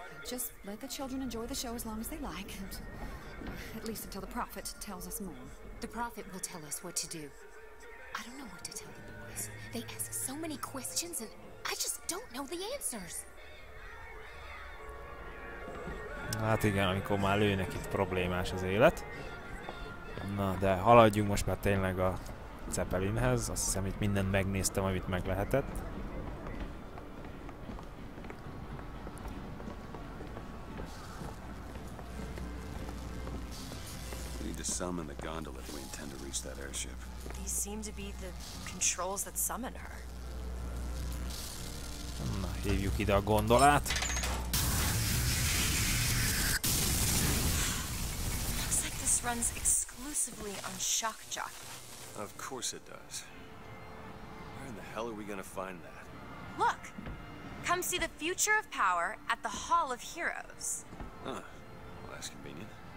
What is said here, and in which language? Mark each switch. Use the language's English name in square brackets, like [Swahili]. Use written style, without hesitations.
[English] Just let the children enjoy the show as long as they like. At least until the prophet tells us more. The prophet will tell us what to do. I don't know what to tell the boys. They ask so many questions, and I just don't know the answers. [Hungarian] Hát igen, amikor már lőnek itt problémás az élet. Na, de haladjunk most már tényleg a Zeppelinhez. Azt hiszem, itt mindent megnéztem, amit meg lehetett. [English] We need to summon the gondola if we intend to reach that airship. These seem to be the controls that summon her. [Hungarian] Na, hívjuk ide a gondolát. [English] Looks like this runs exclusively on shock jockey. Of course it does. Where in the hell are we gonna find that? Look! Come see the future of power at the Hall of Heroes. Huh. Well, that's convenient.